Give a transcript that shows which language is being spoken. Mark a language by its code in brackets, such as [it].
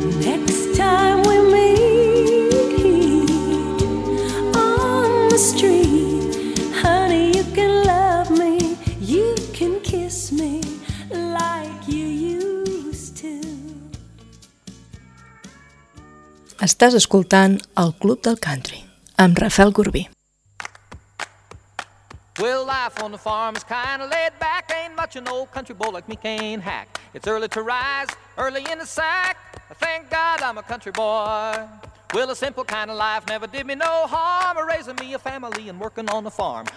[en] Next time we meet on the street, honey, you can love me, you can kiss me like you used to. [ca] Estàs escoltant el Club del Country amb Rafael Gurbí. [en] Well, life on the farm is kind of laid back. Ain't much an old country boy like me can hack. It's early to rise, early in the sack. Thank God I'm a country boy. Well, a simple kind of life never did me no harm. Raising me a family and working on the farm.